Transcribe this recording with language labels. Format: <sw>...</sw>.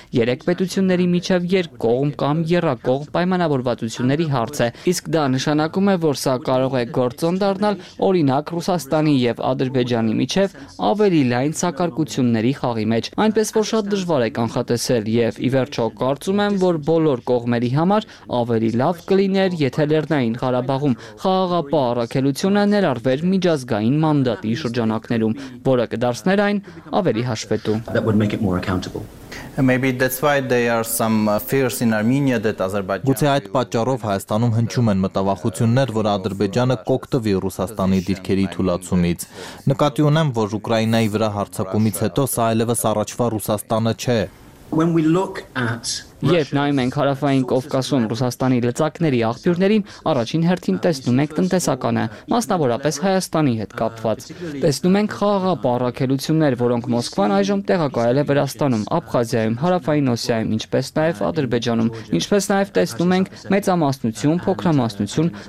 <hy>երեք պետությունների միջև երկկողմ կամ երրակող պայմանավորվածությունների հարց է, իսկ դա նշանակում է, որ սա կարող է գործոն դառնալ, օրինակ, Ռուսաստանի եւ Ադրբեջանի միջև ավելի լայն սակարկությունների խաղի մեջ, այնպես որ շատ դժվար է կանխատեսել, եւ ի վերջո կարծում եմ, որ բոլոր կողմերի համար ավելի լավ կլիներ, եթե Լեռնային Ղարաբաղում խաղաղապահ առաքելությունը ներառվեր միջազգային մանդատի շրջանակներում, որը կդարձներ այն ավելի հաշվետու։</hy> <en>Maybe that's why there are some fears in Armenia that Azerbaijan.</en> <hy>Գուցե այդ պատճառով Հայաստանում հնչում են մտավախություններ, որ Ադրբեջանը կօգտվի Ռուսաստանի դիրքերի թուլացումից։ Նկատի ունեմ, որ Ուկրաինայի վրա հարձակումից հետո սա այլևս առաջվա Ռուսաստանը չէ։</hy> <en>When we look at</en> <hy>Երբ նայում ենք հարավային Կովկասում Ռուսաստանի լծակների աղբյուրներին, առաջին հերթին տեսնում ենք տնտեսականը, մասնավորապես Հայաստանի հետ կապված։ Տեսնում ենք խաղաղապահ առաքելություններ, որոնք Մոսկվան այժմ տեղակայել է Վրաստանում, Աբխազիայում, Հարավային Օսիայում, ինչպես նաև Ադրբեջանում, ինչպես նաև տեսնում ենք մեծամասնություն, փոքրամասնություն,</hy>